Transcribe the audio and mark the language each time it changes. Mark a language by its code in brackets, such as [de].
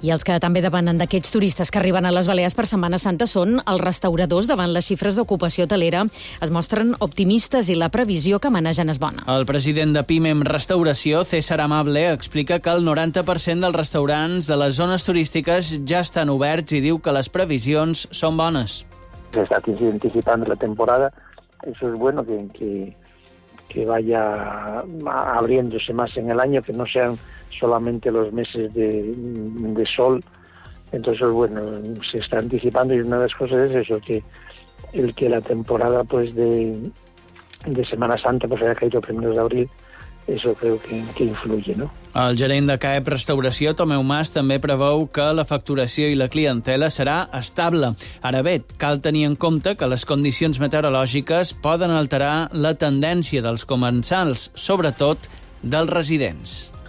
[ca] I els que també depenen d'aquests turistes que arriben a les Balears per Setmana Santa són els restauradors. Davant les xifres d'ocupació hotelera, es mostren optimistes i la previsió que manegen és bona. El president de Pimem Restauració, César Amable, explica que el 90% dels restaurants de les zones turístiques ja estan oberts i diu que les previsions són bones. [es] Se está anticipando la temporada, eso es bueno, que vaya abriéndose más en el año, que no sean solamente los meses de sol. Entonces, bueno, se está anticipando y una de las cosas es eso, que la temporada pues de Semana Santa pues haya caído primeros de abril. [ca] Això creu que influye, no? El gerent de CAEP Restauració, Tomeu Mas, també preveu que la facturació i la clientela serà estable. Ara bé, cal tenir en compte que les condicions meteorològiques poden alterar la tendència dels comensals, sobretot dels residents.